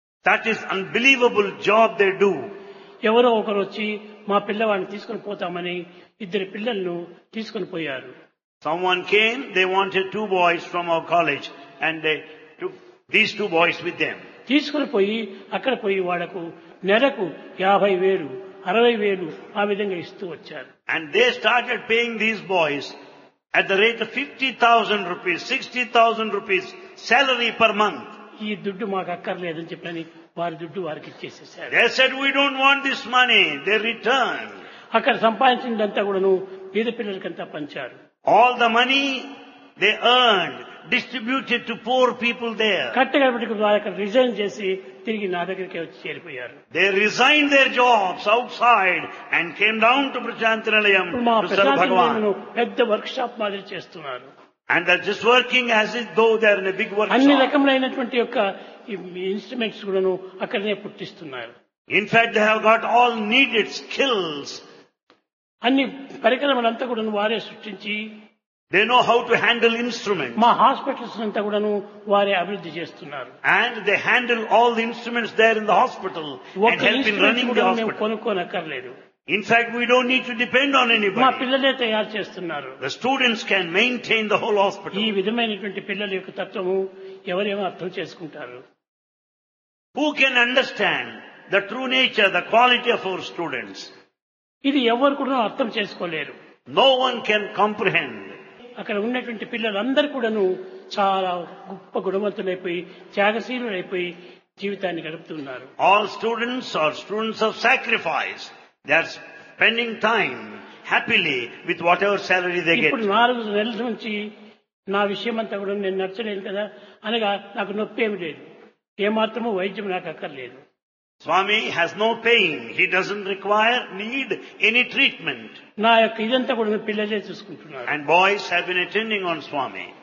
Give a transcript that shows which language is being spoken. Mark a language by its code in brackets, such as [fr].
[en] That is unbelievable job they do. [te] ఎవరో ఒకరు వచ్చి మా పిల్లవాడిని తీసుకుని పోతామని ఇద్దరు పిల్లలను తీసుకుని పోయారు. [en] Someone came, they wanted two boys from our college and they took these two boys with them. [te] తీసుకుని పోయి అక్కడ పోయి వాళ్లకు నెలకు 50,000 60,000 ఆ విధంగా ఇస్తూ వచ్చారు. [en] And they started paying these boys at the rate of 50,000 rupees, 60,000 rupees salary per month. [te] ఈ దుడ్డు మాకు అక్కర్లేదని చెప్పని వారి దుడ్డు వారికి ఇచ్చేసేసారు. [en] They said we don't want this money. They return. [te] అక్కడ సంపాదించినంతా కూడాను పేద పిల్లలకంతా పంచారు. [en] All the money they earned distributed to poor people there. [te] కట్టగడపటికి వారు అక్కడ రిజైన్ చేసి తిరిగి నా దగ్గరికే వచ్చి చేరిపోయారు. [en] They resign their jobs outside and came down to Prasanthi Nilayam to సర్వ భగవాన్. [te] పెద్ద వర్క్ షాప్ మాదిరి చేస్తున్నారు. [en] And they're just working as if though they're in a big workshop. [te] అన్ని రకములైనటువంటి యొక్క instruments కూడాను అక్కడనే పుట్టిస్తున్నారు. [en] In fact, they have got all needed skills. [te] అన్ని పరికరములంతా కూడాను వారే సృష్టించి. [en] They know how to handle instruments. [te] మా హాస్పిటల్స్ అంతా కూడాను వారే అభివృద్ధి చేస్తున్నారు. [en] And they handle all the instruments there in the hospital and help in running the hospital. [te] మేము కొనుక్కోనక్కర్లేదు. [en] In fact, we don't need to depend on anybody. [te] మా పిల్లలే తయారు చేస్తున్నారు. [en] The students can maintain the whole hospital. [te] ఈ విధమైనటువంటి పిల్లల యొక్క తత్వము ఎవరేమో అర్థం చేసుకుంటారు. [en] Who can understand the true nature, the quality of our students? [te] ఇది ఎవరు కూడా అర్థం చేసుకోలేరు. [en] No one can comprehend. [te] అక్కడ ఉన్నటువంటి పిల్లలందరూ కూడాను చాలా గొప్ప గుణవంతులైపోయి త్యాగశీలులైపోయి జీవితాన్ని గడుపుతున్నారు. [en] All students are students of sacrifice. They are spending time happily with whatever salary they get. [te] ఇప్పుడు 4 నెలల నుంచి నా విషయమంతా కూడా నేను నడచలేను కదా అనగా నాకు నొప్పి ఏమి లేదు. ఏమాత్రమూ వైద్యం నాకు అక్కర్లేదు. [en] Swami has no pain. He doesn't require need any treatment. [te] నా యొక్క ఇదంతా కూడా పిల్లలే చూసుకుంటున్నారు. [en] And boys have been attending on Swami.